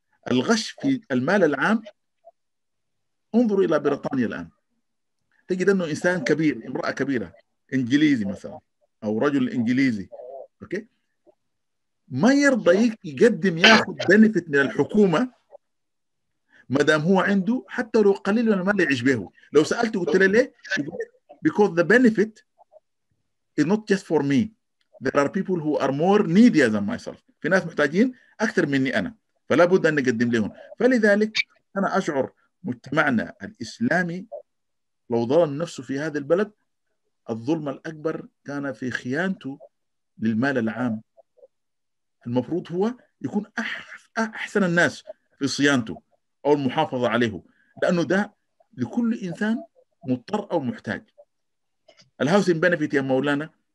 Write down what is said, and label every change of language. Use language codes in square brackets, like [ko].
[ar] الغش في المال العام، انظروا إلى بريطانيا الآن، تجد أنه إنسان كبير امرأة كبيرة إنجليزي مثلا أو رجل إنجليزي أوكي، ما يرضى يقدم ياخذ بنفيت من الحكومة ما دام هو عنده حتى لو قليل من المال يعيش به. لو سألته قلت له ليه؟ [en] Because the benefit is not just for me. There are people who are more needy than myself. [ar] في ناس محتاجين أكثر مني أنا، فلا بد أن نقدم لهم. فلذلك أنا أشعر مجتمعنا الإسلامي لو ظلم نفسه في هذا البلد، الظلم الأكبر كان في خيانته للمال العام. المفروض هو يكون أحسن الناس في صيانته أو المحافظة عليه، لأنه ده لكل إنسان مضطر أو محتاج. الهاوسين بنفيت يا مولانا